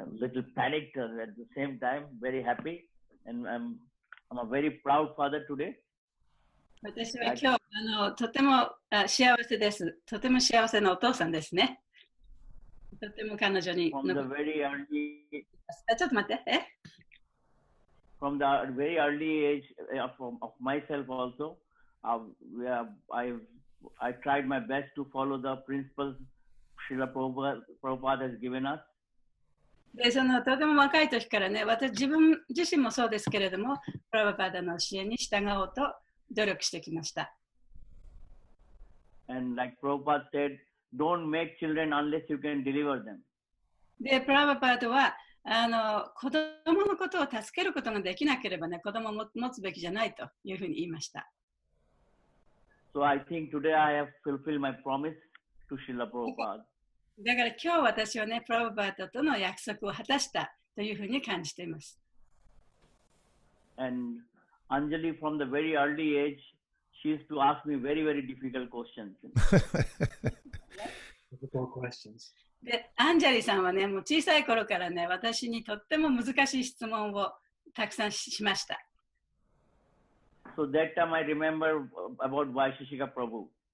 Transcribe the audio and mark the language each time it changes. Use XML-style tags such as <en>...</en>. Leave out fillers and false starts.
<en>I'm little panicked at the same time, very happy. And I'm a very proud father today.</en> <ja>私は今日、とても幸せです。とても幸せなお父さんですね。とても彼女に。ちょっと待って。</ja> <en>From the very early age of myself also, I tried my best to follow the principles Srila Prabhupada has given us.</en> <ja>で、そのとても若い時からね、私自分自身もそうですけれども、プラヴァパーダの教えに従おうと努力してきました。</ja> <en>And like Prabhupada said, don't make children unless you can deliver them.</en> <ja>で、プラヴァパーダは、子供のことを助けることができなければね、子供を持つべきじゃないというふうに言いました。</ja> <en>So I think today I have fulfilled my promise to Srila Prabhupada.</en> <ja>だから今日私はね、プラブパーダとの約束を果たしたというふうに感じています。</ja> <en>And Anjali from the very early age, she used to ask me very, very difficult questions. Difficult questions.</en> <ja>で、アンジェリーさんはね、もう小さい頃からね、私にとっても難しい質問をたくさん しました。</ja> <en>So that time I remember about Vaisheshika Prabhu.</en>